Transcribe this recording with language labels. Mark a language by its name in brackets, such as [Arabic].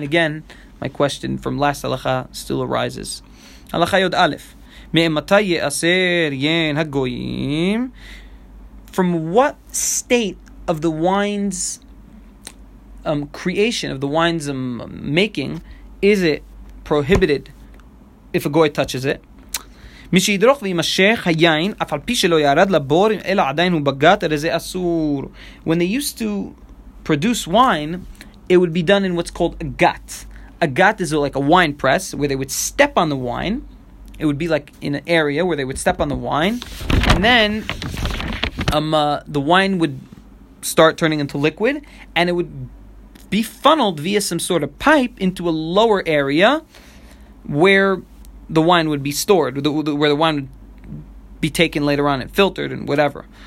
[English] And again, my question from last halacha still arises. [Hebrew] Halacha yod aleph. Me'ematay ye'aser yain ha-goyim. [English] From what state of the wine's creation, of the wine's making, is it prohibited if a goy touches it? [Hebrew] מי שידרוך וימשך היין, אף על פי שלא ירד לבור, אלא עדיין הוא בגת, הרי זה אסור. [English] When they used to produce wine, it would be done in what's called a gat. A gat is like a wine press, where they would step on the wine. It would be like in an area where they would step on the wine. And then the wine would start turning into liquid, and it would be funneled via some sort of pipe into a lower area where the wine would be stored, where the wine would be taken later on and filtered and whatever.